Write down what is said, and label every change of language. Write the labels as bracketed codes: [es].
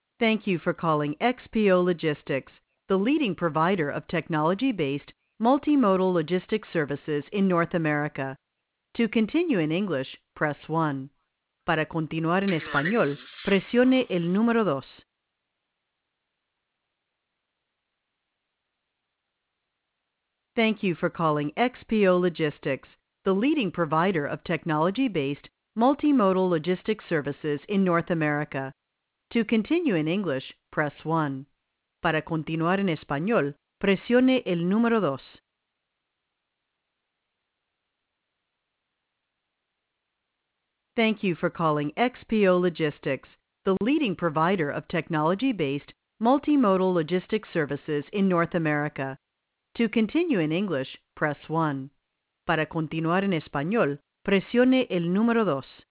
[en] Thank you for calling XPO Logistics, the leading provider of technology-based multimodal logistics services in North America. To continue in English, press 1. [es] Para continuar en español, presione el número 2. [en] Thank you for calling XPO Logistics, the leading provider of technology-based multimodal logistics services in North America. To continue in English, press 1. [es] Para continuar en español, presione el número 2. [en] Thank you for calling XPO Logistics, the leading provider of technology-based multimodal logistics services in North America. To continue in English, press 1. [es] Para continuar en español, presione el número 2.